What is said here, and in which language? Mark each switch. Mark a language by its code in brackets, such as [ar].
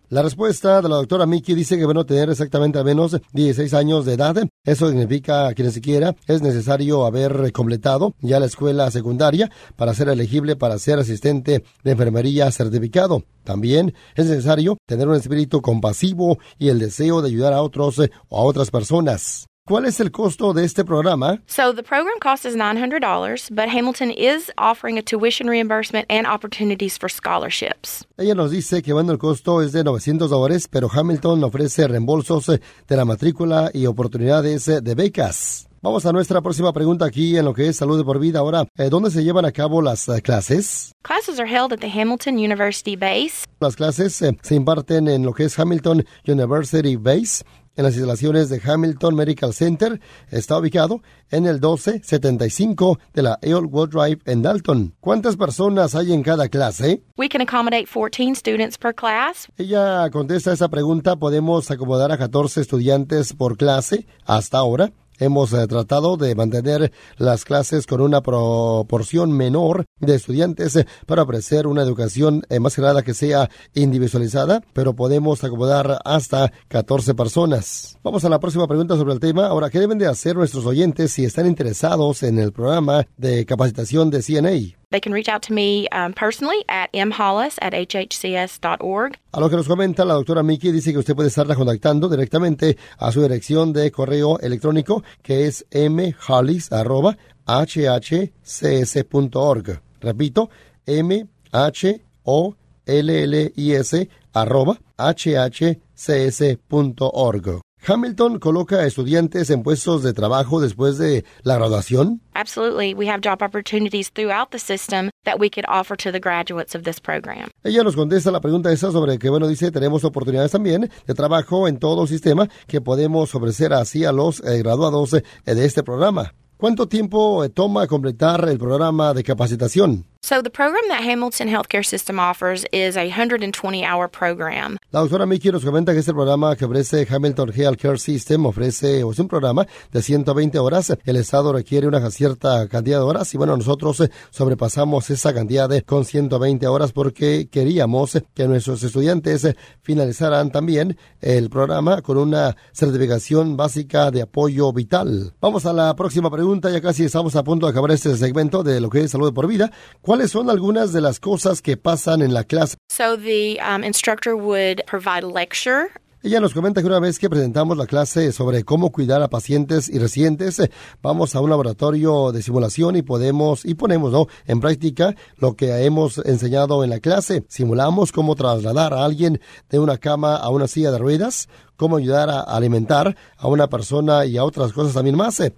[es] La respuesta de la doctora Mickey dice que, bueno, tener exactamente al menos 16 años de edad, eso significa que ni siquiera es necesario haber completado ya la escuela secundaria para ser elegible para ser asistente de enfermería certificado. También es necesario tener un espíritu compasivo y el deseo de ayudar a otros o a otras personas. ¿Cuál es el costo de este programa? [en] So the program cost is $900, but Hamilton is offering a tuition reimbursement and opportunities for scholarships. [es] Ella nos dice que, bueno, el costo es de $900, pero Hamilton ofrece reembolsos de la matrícula y oportunidades de becas. Vamos a nuestra próxima pregunta aquí en lo que es Salud de por Vida. Ahora, ¿dónde se llevan a cabo las clases? [en] Classes are held at the Hamilton University Base. [es] Las clases se imparten en lo que es Hamilton University Base, en las instalaciones de Hamilton Medical Center. Está ubicado en el 1275 de la Elwood Drive en Dalton. ¿Cuántas personas hay en cada clase? [en] We can accommodate 14 students per class. [es] Ella contesta esa pregunta. ¿Podemos acomodar a 14 estudiantes por clase hasta ahora? Hemos tratado de mantener las clases con una proporción menor de estudiantes para ofrecer una educación más que nada que sea individualizada, pero podemos acomodar hasta 14 personas. Vamos a la próxima pregunta sobre el tema. Ahora, ¿qué deben de hacer nuestros oyentes si están interesados en el programa de capacitación de CNA? [en] They can reach out to me personally at mhollis@hhcs.org. [es] A lo que nos comenta la doctora Mickey, dice que usted puede estarla contactando directamente a su dirección de correo electrónico, que es mhollis@hhcs.org. Repito, mhollis@hhcs.org. Hamilton coloca a estudiantes en puestos de trabajo después de la graduación. [en] Absolutely, we have job opportunities throughout the system that we could offer to the graduates of this program. [es] Ella nos contesta la pregunta esa sobre que, bueno, dice, tenemos oportunidades también de trabajo en todo el sistema que podemos ofrecer así a los graduados de este programa. ¿Cuánto tiempo toma completar el programa de capacitación? [en] So the program that Hamilton Healthcare System offers is a 120-hour program. [es] La doctora Mickey nos comenta que este programa que ofrece Hamilton Healthcare System ofrece, o es un programa de 120 horas. El estado requiere una cierta cantidad de horas y bueno, nosotros sobrepasamos esa cantidad de con 120 horas porque queríamos que nuestros estudiantes finalizaran también el programa con una certificación básica de apoyo vital. Vamos a la próxima pregunta, ya casi estamos a punto de acabar este segmento de lo que es Salud por Vida. ¿Cuáles son algunas de las cosas que pasan en la clase? [en] So the instructor would provide lecture. [es] Ella nos comenta que una vez que presentamos la clase sobre cómo cuidar a pacientes y residentes, vamos a un laboratorio de simulación y ponemos ¿no? en práctica lo que hemos enseñado en la clase. Simulamos cómo trasladar a alguien de una cama a una silla de ruedas, cómo ayudar a alimentar a una persona y a otras cosas también más.